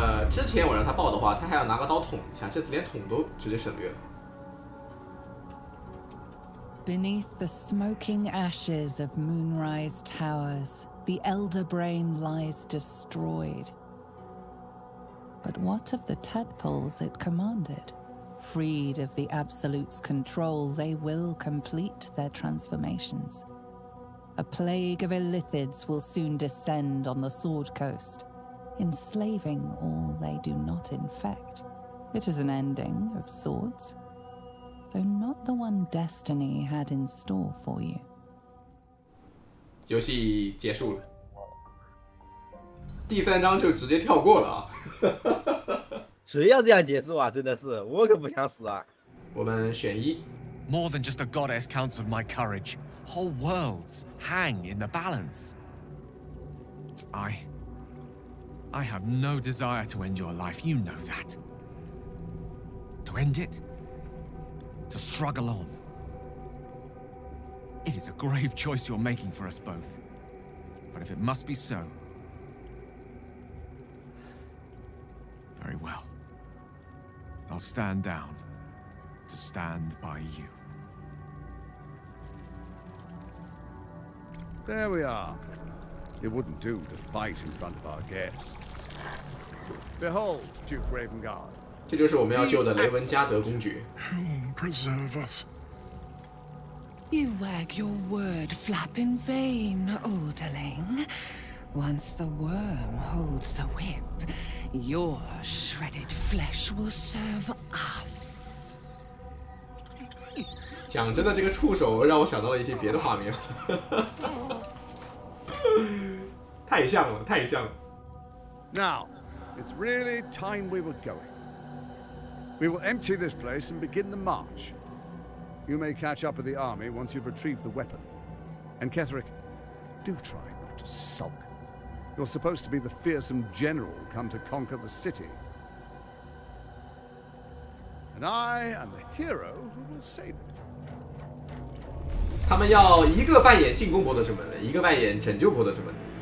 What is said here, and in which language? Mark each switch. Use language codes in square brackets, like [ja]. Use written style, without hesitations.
[zh] 之前我让他爆的话，他还要拿个刀捅一下，这次连捅都直接省略了。 [en] Beneath the smoking ashes of Moonrise Towers, the Elder Brain lies destroyed. But what of the tadpoles it commanded? Freed of the Absolute's control, they will complete their transformations. A plague of illithids will soon descend on the Sword Coast. Enslaving all they do not infect. It is an ending of sorts, though not the one Destiny had in store for you. [zh] 游戏结束了，第三章就直接跳过了啊！谁要这样结束啊？真的是，我可不想死啊！我们选一。 [en] More than just a goddess counts with my courage. Whole worlds hang in the balance. I have no desire to end your life, you know that. To end it? To struggle on? It is a grave choice you're making for us both. But if it must be so... Very well. I'll stand down to stand by you. There we are. It wouldn't do to fight in front of our guests. Behold, Duke Ravengard. [zh] 这就是我们要救的雷文加德公爵。 [en] Who preserve us? You wag your word flap in vain, Alderling. Once the worm holds the whip, your shredded flesh will serve us. [zh] 讲真的，这个触手让我想到了一些别的画面。太像了，太像了。 [en] Now. It's really time we were going. We will empty this place and begin the march. You may catch up with the army once you've retrieved the weapon. And Ketherick, do try not to sulk. You're supposed to be the fearsome general come to conquer the city. And I am the hero who will save it. [zh] 他们要一个扮演进攻博德之门，一个扮演拯救博德之门。